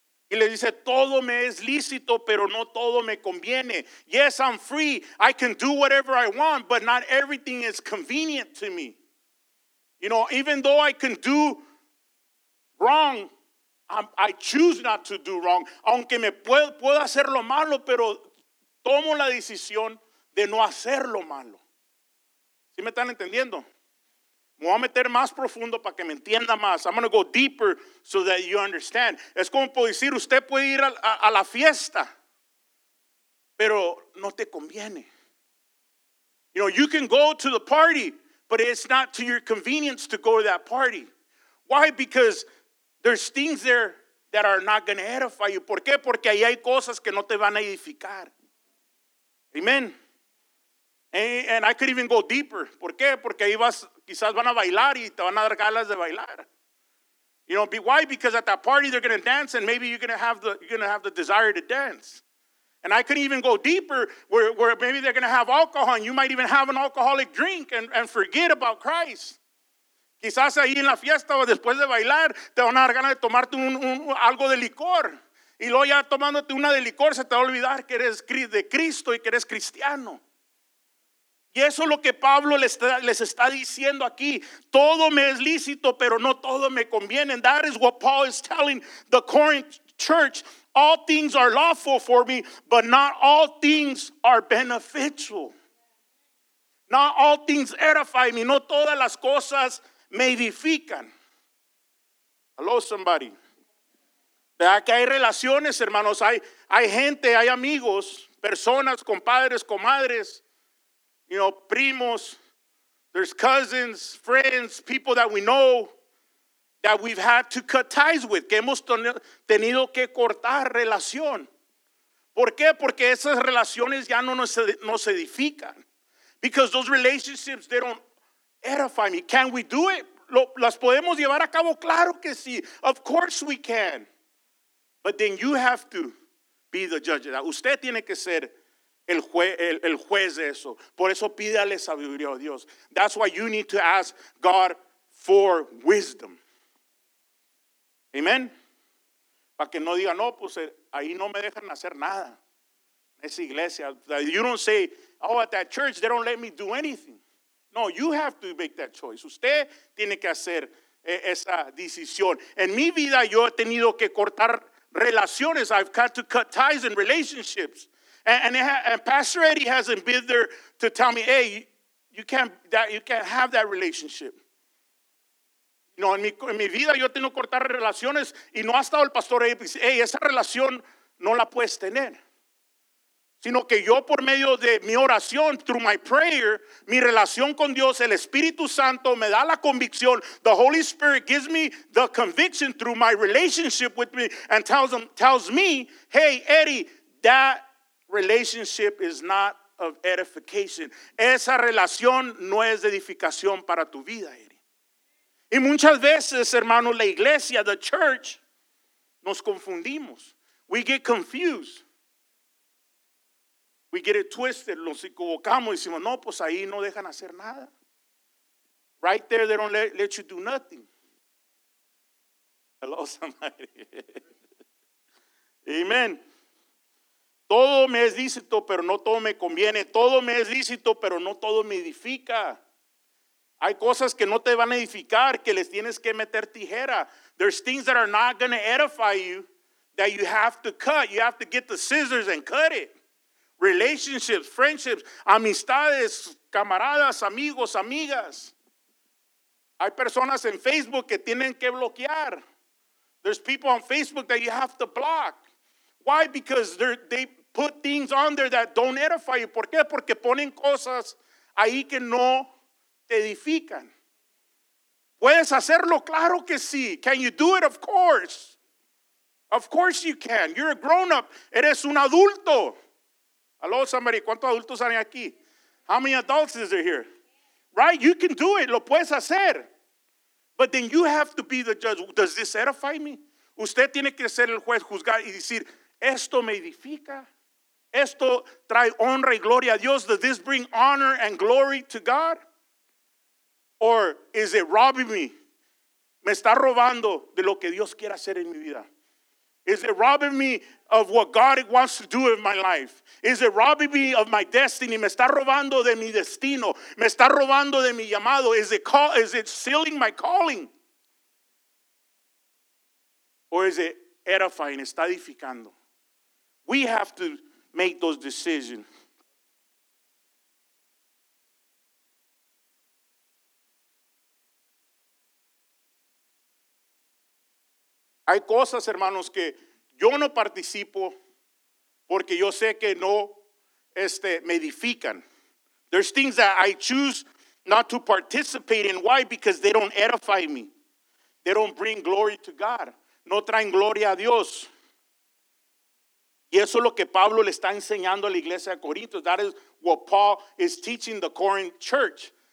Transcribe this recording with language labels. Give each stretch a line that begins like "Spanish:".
Spanish: Y le dice, todo me es lícito, pero no todo me conviene.
English: Yes, I'm free. I can do whatever I want, but not everything is convenient to me. You know, even though I can do wrong, I choose not to do wrong.
Spanish: Aunque me puedo hacer lo malo, pero tomo la decisión de no hacer lo malo. ¿Sí me están entendiendo? Me voy a meter más profundo para que me entienda más.
English: I'm going to go deeper so that you understand.
Spanish: Es como puedo decir, usted puede ir a la fiesta, pero no te conviene.
English: You know, you can go to the party, but it's not to your convenience to go to that party. Why? Because there's things there that are not going to edify you.
Spanish: ¿Por qué? Porque ahí hay cosas que no te van a edificar.
English: Amen. And I could even go deeper.
Spanish: ¿Por qué? Porque ahí vas... Quizás van a bailar y te van a dar galas de bailar.
English: You know, why? Because at that party they're going to dance and maybe you're going to have the desire to dance. And I could even go deeper where maybe they're going to have alcohol and you might even have an alcoholic drink and forget about Christ.
Spanish: Quizás ahí en la fiesta o después de bailar te van a dar ganas de tomarte un algo de licor. Y luego ya tomándote una de licor se te va a olvidar que eres de Cristo y que eres cristiano. Y eso es lo que Pablo les está diciendo aquí. Todo me es lícito, pero no todo me conviene.
English: And that is what Paul is telling the Corinth church. All things are lawful for me, but not all things are beneficial. Not all things edify me.
Spanish: No todas las cosas me edifican.
English: Hello, somebody.
Spanish: ¿Verdad que hay relaciones, hermanos? Hay gente, hay amigos, personas, compadres, comadres, you know, primos.
English: There's cousins, friends, people that we know that we've had to cut ties with.
Spanish: Que hemos tenido que cortar relación. ¿Por qué? Porque esas relaciones ya no nos edifican.
English: Because those relationships, they don't edify me. Can we do it?
Spanish: ¿Las podemos llevar a cabo? Claro que sí.
English: Of course we can. But then you have to be the judge of that.
Spanish: Usted tiene que ser el juez de eso. Por eso pídale sabiduría a Dios.
English: That's why you need to ask God for wisdom. Amen.
Spanish: Para que no diga, no, pues ahí no me dejan hacer nada. Esa iglesia.
English: You don't say, oh, at that church, they don't let me do anything. No, you have to make that choice.
Spanish: Usted tiene que hacer esa decisión. En mi vida yo he tenido que cortar relaciones.
English: I've had to cut ties in relationships. And Pastor Eddie hasn't been there to tell me, hey, you can't have that relationship.
Spanish: No, en mi vida yo tengo que cortar relaciones y no ha estado el pastor ahí y dice, hey, esa relación no la puedes tener. Sino que yo por medio de mi oración,
English: through my prayer,
Spanish: mi relación con Dios, el Espíritu Santo me da la convicción.
English: The Holy Spirit gives me the conviction through my relationship with me and tells me, hey, Eddie, that relationship is not of edification.
Spanish: Esa relación no es de edificación para tu vida, Eddie. Y muchas veces, hermanos, la iglesia,
English: the church,
Spanish: nos confundimos.
English: We get confused. We get it twisted,
Spanish: nos equivocamos y decimos, no, pues ahí no dejan hacer nada.
English: Right there, they don't let you do nothing. Hello, somebody. Amen.
Spanish: Todo me es lícito, pero no todo me conviene. Todo me es lícito, pero no todo me edifica. Hay cosas que no te van a edificar, que les tienes que meter tijera.
English: There's things that are not going to edify you, that you have to cut. You have to get the scissors and cut it. Relationships, friendships,
Spanish: amistades, camaradas, amigos, amigas. Hay personas en Facebook que tienen que bloquear.
English: There's people on Facebook that you have to block. Why? Because they put things on there that don't edify you.
Spanish: ¿Por qué? Porque ponen cosas ahí que no te edifican. ¿Puedes hacerlo? Claro que sí.
English: Can you do it? Of course. Of course you can. You're a grown up.
Spanish: Eres un adulto.
English: Hello, somebody.
Spanish: ¿Cuántos adultos hay aquí?
English: How many adults is there here? Right? You can do it.
Spanish: Lo puedes hacer.
English: But then you have to be the judge. Does this edify me?
Spanish: Usted tiene que ser el juez, juzgar y decir, esto me edifica. Esto trae honra y gloria a Dios.
English: Does this bring honor and glory to God? Or is it robbing me?
Spanish: Me está robando de lo que Dios quiere hacer en mi vida.
English: Is it robbing me of what God wants to do in my life? Is it robbing me of my destiny?
Spanish: Me está robando de mi destino. Me está robando de mi llamado.
English: Is it stealing my calling? Or is it edifying?
Spanish: Está edificando.
English: We have to make those decisions.
Spanish: Hay cosas, hermanos, que yo no participo porque yo sé que no me edifican.
English: There's things that I choose not to participate in. Why? Because they don't edify me. They don't bring glory to God.
Spanish: No traen gloria a Dios. Y eso es lo que Pablo le está enseñando a la iglesia de Corinto.
English: That is what Paul is teaching the Corinth church.